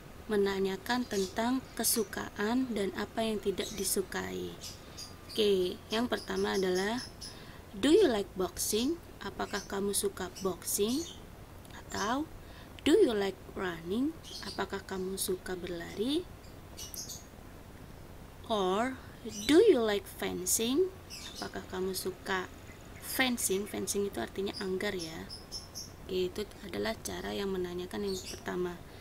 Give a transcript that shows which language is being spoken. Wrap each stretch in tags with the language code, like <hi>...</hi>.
<id>Menanyakan tentang kesukaan dan apa yang tidak disukai. Okay, yang pertama adalah</id> <en>do you like boxing?</en> <id>Apakah kamu suka boxing? Atau</id> <en>do you like running?</en> <id>Apakah kamu suka berlari?</id> <en>Or do you like fencing?</en> <id>Apakah kamu suka fencing? Fencing itu artinya anggar ya. Oke, itu adalah cara yang menanyakan yang pertama.</id>